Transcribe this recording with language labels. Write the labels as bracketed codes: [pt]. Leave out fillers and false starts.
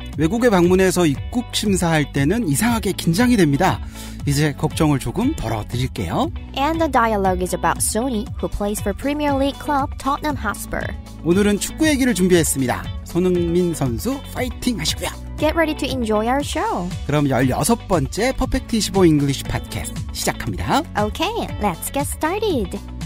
[ko] 외국에 방문해서 입국 심사할 때는 이상하게 긴장이 됩니다. 이제 걱정을 조금 덜어드릴게요. [en] And the dialogue is about Sonny, who plays for Premier League club Tottenham Hotspur. [ko] 오늘은 축구 얘기를 준비했습니다. 손흥민 선수 파이팅 하시고요. [en] Get ready to enjoy our show. [ko] 그럼 16번째 퍼펙트 25 English 팟캐스트 시작합니다. [en] Okay, let's get started.